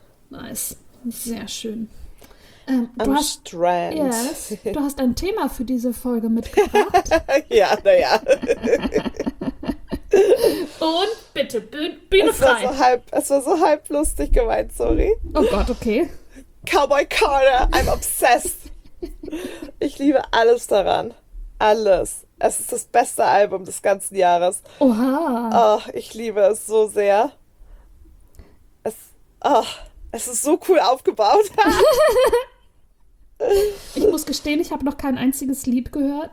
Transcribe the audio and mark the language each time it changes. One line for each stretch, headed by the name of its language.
German: Nice. Sehr schön. Am Strand. Du hast ein Thema für diese Folge mitgebracht. Ja, naja. Bitte, Bühne frei. Es war so halb lustig gemeint, sorry. Oh Gott, okay.
English: Cowboy Carter, I'm obsessed.
German: Ich liebe alles daran. Alles. Es ist das beste Album des ganzen Jahres. Oha. Oh, ich liebe es so sehr. Oh, es ist so cool aufgebaut. Ich muss gestehen, ich habe noch kein einziges Lied gehört.